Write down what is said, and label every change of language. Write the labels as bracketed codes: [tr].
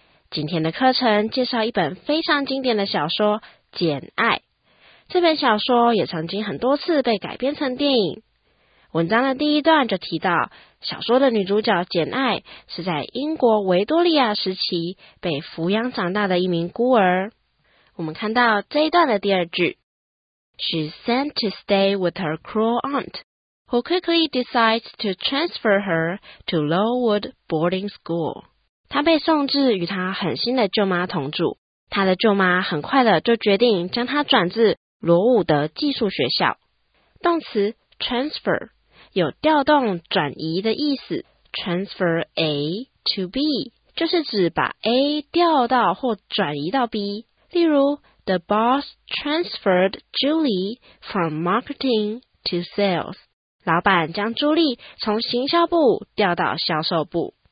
[zh] 今天的课程介绍一本非常经典的小说《简爱》，这本小说也曾经很多次被改编成电影。文章的第一段就提到，小说的女主角简爱是在英国维多利亚时期被抚养长大的一名孤儿。我们看到这一段的第二句 [en] She's sent to stay with her cruel aunt, who quickly decides to transfer her to Lowood boarding school. [zh] 她被送至与她狠心的舅妈同住，她的舅妈很快的就决定将她转至罗伍德寄宿学校。动词transfer 有调动转移的意思， transfer A to B 就是指把 A 调到或转移到 B， 例如 [en] The boss transferred Julie from marketing to sales， [zh] 老板将朱莉从行销部调到销售部。